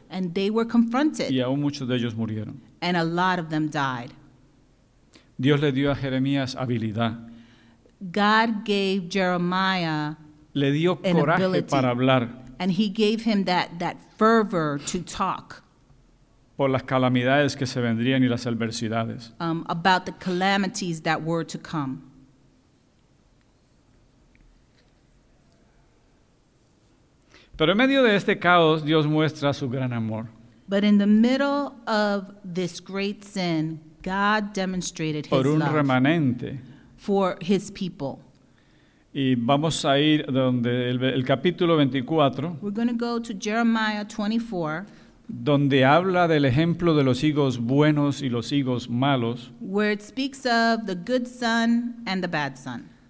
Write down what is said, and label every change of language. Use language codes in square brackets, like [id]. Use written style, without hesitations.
[en] And they were confronted. [es] Y aún muchos de ellos murieron. [en] And a lot of them died. [es] Dios le dio a Jeremías habilidad. [en] God gave Jeremiah [es] le dio [en] an ability, [es] para hablar. [en] And he gave him that fervor to talk. [es] Por las calamidades que se vendrían y las adversidades. [en] About the calamities that were to come. [es] Pero en medio de este caos, Dios muestra su gran amor. [en] But in the middle of this great sin, God demonstrated his love. [es] Por un [en] love. [es] Remanente. [en] For his people. [es] Y vamos a ir donde el capítulo 24. [en] We're going to go to Jeremiah 24. [es] Donde habla del ejemplo de los hijos buenos y los hijos malos. [en] Where it speaks of the good son and the bad son.